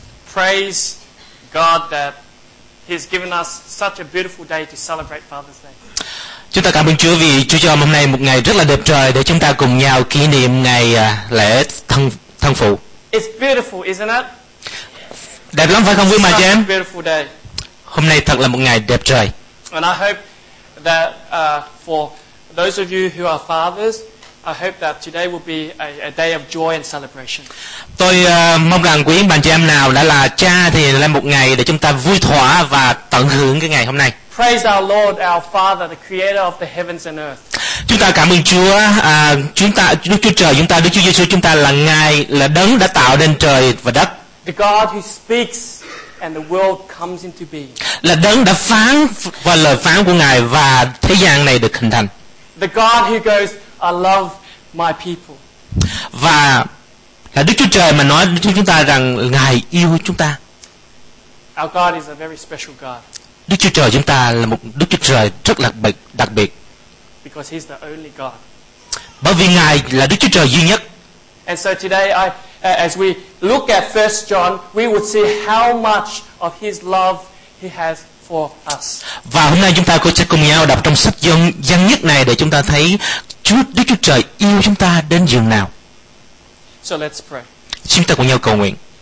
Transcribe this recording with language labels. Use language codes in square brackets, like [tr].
[en] Praise God that He has given us such a beautiful day to celebrate Father's Day. [vi] Chúng ta cảm ơn Chúa vì Chúa cho hôm nay một ngày rất là đẹp trời để chúng ta cùng nhau kỷ niệm ngày lễ thân phụ. [en] It's beautiful, isn't it? [vi] Đẹp lắm phải không quý mạng trên? [en] Such a beautiful day. [vi] Hôm nay thật là một ngày đẹp trời. [en] And I hope that for those of you who are fathers, I hope that today will be a day of joy and celebration. [vi] Tôi mong rằng quý bạn chị em nào đã là cha thì là một ngày để chúng ta vui thỏa và tận hưởng cái ngày hôm nay. [en] Praise our Lord, our Father, the creator of the heavens and earth. [vi] Chúng ta cảm ơn Chúa, Đức Chúa Giêsu chúng ta là Ngài, là Đấng đã tạo nên trời và đất. [en] The God who speaks and the world comes into being. [vi] Là Đấng đã phán và lời phán của Ngài và thế gian này được hình thành. [en] The God who goes, I love my people. [vi] Và là Đức Chúa Trời mà nói cho chúng ta rằng Ngài yêu chúng ta. [en] Our God is a very special God. [vi] Đức Chúa Trời chúng ta là một Đức Chúa Trời rất là đặc biệt. [en] Because He's the only God. [vi] Bởi vì Ngài là Đức Chúa Trời duy nhất. [en] And so today as we look at 1 John, we would see how much of His love He has for us. [vi] Và hôm nay chúng ta sẽ cùng nhau đọc trong sách Giăng nhất này để chúng ta thấy Chúa Đức Chúa Trời yêu chúng ta đến giường nào. [en] So let's pray. [vi] Chúng ta cùng nhau cầu nguyện.